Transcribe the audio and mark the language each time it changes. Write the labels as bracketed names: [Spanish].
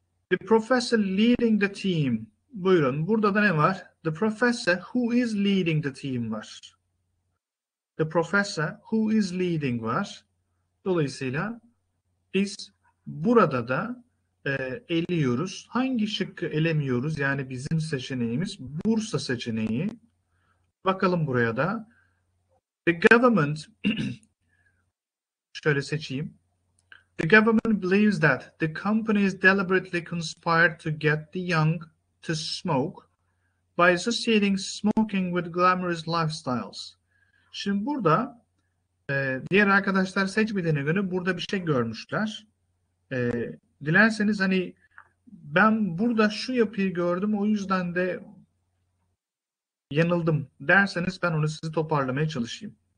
[English] The professor leading the team. [Turkish] Buyurun. Burada da ne var? [English] The professor who is leading the team var. The professor who is leading var. [Turkish] Dolayısıyla biz burada da eliyoruz. Hangi şıkkı elemiyoruz? Yani bizim seçeneğimiz Bursa seçeneği. Bakalım buraya da. [English] The government [Turkish] şöyle seçeyim. [English] The government believes that the company is deliberately conspired to get the young to smoke by associating smoking with glamorous lifestyles. [Turkish] Şimdi burada diğer arkadaşlar seçmediğine göre burada bir şey görmüşler. Dilerseniz hani ben burada şu yapıyı gördüm, o yüzden de yanıldım derseniz ben onu sizi toparlamaya çalışayım.